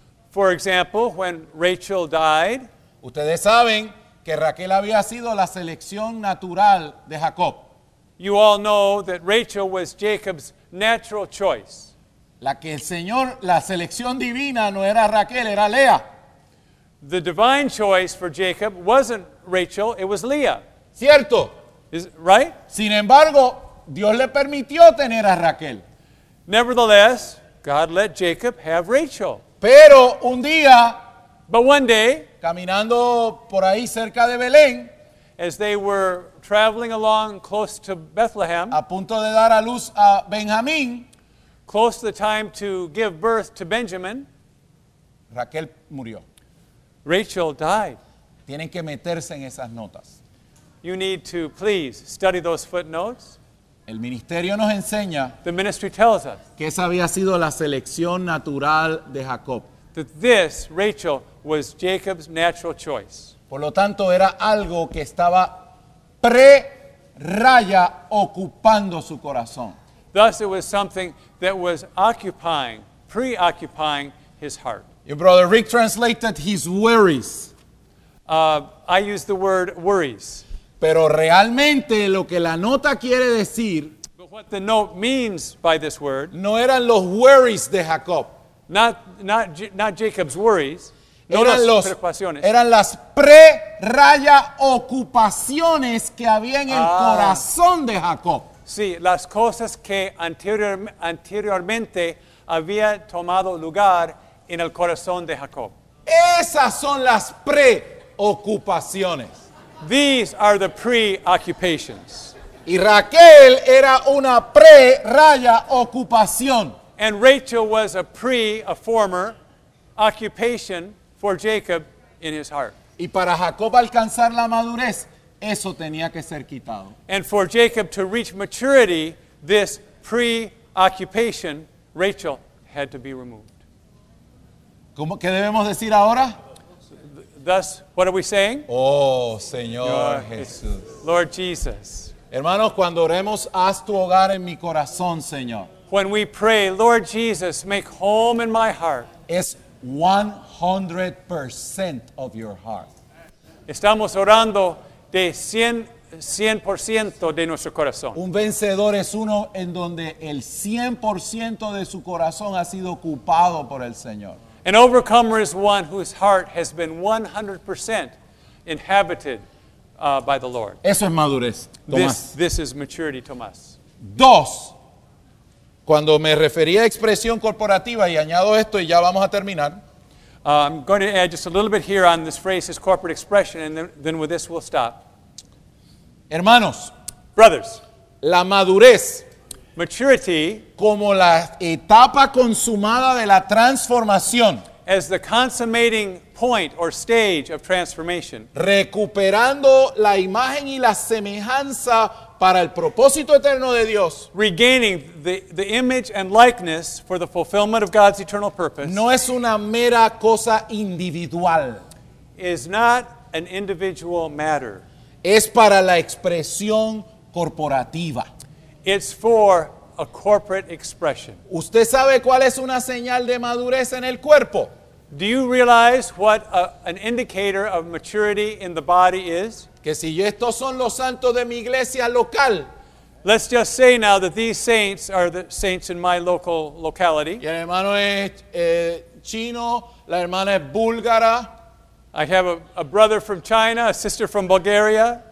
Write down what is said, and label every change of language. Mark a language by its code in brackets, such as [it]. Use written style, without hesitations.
[en] For example, when Rachel died. [es] Ustedes saben que Raquel había sido la selección natural de Jacob. [en] You all know that Rachel was Jacob's natural choice. [es] La que el Señor, la selección divina no era Raquel, era Lea. [en] The divine choice for Jacob wasn't Rachel, it was Leah. [es] Cierto. [en] Is right? [es] Sin embargo, Dios le permitió tener a Raquel. [en] Nevertheless, God let Jacob have Rachel. [es] Pero un día, [en] but one day, [es] caminando por ahí cerca de Belén, [en] as they were traveling along close to Bethlehem, [es] a punto de dar a luz a Benjamín, [en] close to the time to give birth to Benjamin, [es] Raquel murió. [en] Rachel died. [es] Tienen que meterse en esas notas. [en] You need to please study those footnotes. [es] El ministerio nos enseña, [en] the ministry tells us, [es] que esa había sido la selección natural de Jacob. [en] That this, Rachel, was Jacob's natural choice. [es] Por lo tanto, era algo que estaba pre-raya ocupando su corazón. [en] Thus, it was something that was occupying, preoccupying his heart. Your brother Rick translated his worries. I use the word worries. [es] Pero realmente lo que la nota quiere decir, [en] but what the note means by this word, [es] no eran los worries de Jacob. [en] Not Jacob's worries. No [es] eran las preocupaciones. Eran las pre-raya ocupaciones que había en el corazón de Jacob. Sí, las cosas que anteriormente había tomado lugar en el corazón de Jacob. Esas son las preocupaciones. [en] These are the preoccupations. [es] Y Raquel era una pre-raya ocupación. [en] And Rachel was a former occupation for Jacob in his heart. [es] Y para Jacob alcanzar la madurez, eso tenía que ser quitado. [en] And for Jacob to reach maturity, this preoccupation, Rachel, had to be removed. [es] ¿Cómo, qué debemos decir ahora? [en] Thus, what are we saying? [es] Oh, Señor Jesús. [en] Lord Jesus. [es] Hermanos, cuando oremos, haz tu hogar en mi corazón, Señor. [en] When we pray, Lord Jesus, make home in my heart. Es 100% of your heart. [es] Estamos orando de 100% de nuestro corazón. Un vencedor es uno en donde el 100% de su corazón ha sido ocupado por el Señor. [en] An overcomer is one whose heart has been 100% inhabited by the Lord. [es] Eso es madurez, Tomás. [en] This is maturity, Tomás. [es] Dos. Cuando me refería a expresión corporativa, y añado esto y ya vamos a terminar. [en] I'm going to add just a little bit here on this phrase, this corporate expression, and then with this we'll stop. [es] Hermanos. [en] Brothers. [es] La madurez. [en] Maturity. [es] Como la etapa consumada de la transformación. [en] As the consummating point or stage of transformation. [es] Recuperando la imagen y la semejanza para el propósito eterno de Dios. [en] Regaining the image and likeness for the fulfillment of God's eternal purpose. [es] No es una mera cosa individual. [en] Is not an individual matter. [es] Es para la expresión corporativa. [en] It's for a corporate expression. [es] ¿Usted sabe cuál es una señal de madurez en el cuerpo? [en] Do you realize what an indicator of maturity in the body is? [es] Que si estos son los santos de mi iglesia local. [en] Let's just say now that these saints are the saints in my local locality. [es] Y el hermano es chino, la hermana es búlgara. [en] I have a brother from China, a sister from Bulgaria.